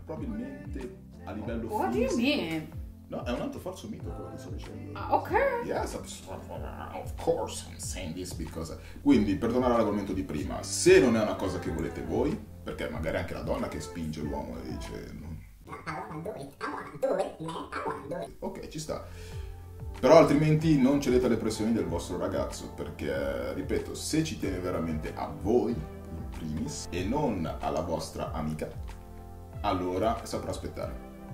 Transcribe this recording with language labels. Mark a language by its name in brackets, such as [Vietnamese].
[Italian] Probabilmente a livello fisico. [English] What do you mean? [Italian] No, è un altro falso mito quello che sto dicendo. Ah, ok. [English] Yes, of course I'm saying this because... [Italian] Quindi, per tornare all'argomento di prima, se non è una cosa che volete voi, perché magari anche la donna che spinge l'uomo e dice... Ok, ci sta. Però altrimenti non cedete alle pressioni del vostro ragazzo, perché, ripeto, se ci tiene veramente a voi, in primis, e non alla vostra amica, allora saprà aspettare.